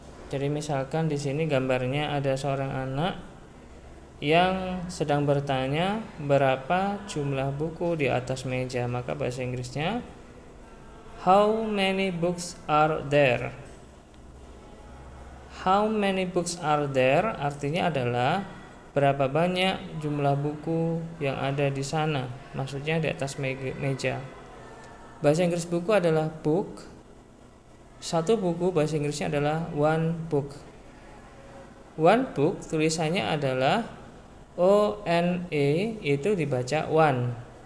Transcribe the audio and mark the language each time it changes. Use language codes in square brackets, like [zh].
[id] Jadi misalkan di sini gambarnya ada seorang anak yang sedang bertanya berapa jumlah buku di atas meja. Maka bahasa Inggrisnya, [en] how many books are there? How many books are there? [id] Artinya adalah berapa banyak jumlah buku yang ada di sana, maksudnya di atas meja. Bahasa Inggris buku adalah book. Satu buku bahasa Inggrisnya adalah one book. One book tulisannya adalah O-N-E, itu dibaca one.